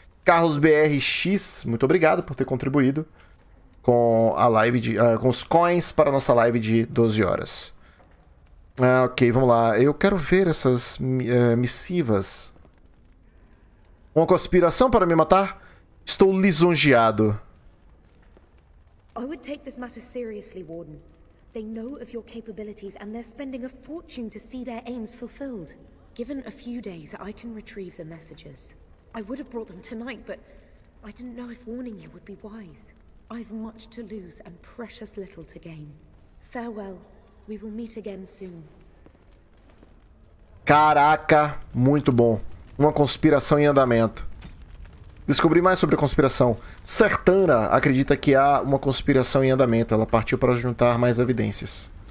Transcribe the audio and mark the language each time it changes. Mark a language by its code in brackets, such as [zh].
[pt] Carlos BRX, muito obrigado por ter contribuído com a live de. Com os coins para a nossa live de 12 horas. Ah, ok, vamos lá. Eu quero ver essas missivas. Uma conspiração para me matar? Estou lisonjeado. [en] I would take this matter seriously, Warden. They know of your capabilities and they're spending a fortune to see their aims fulfilled. Given a few days, I can retrieve the messages. I would have brought them tonight, but I didn't know if warning you would be wise. I've much to lose and precious little to gain. Farewell. We will meet again soon. [pt] Caraca, muito bom. Uma conspiração em andamento. Descobri mais sobre a conspiração. Sertana acredita que há uma conspiração em andamento. Ela partiu para juntar mais evidências.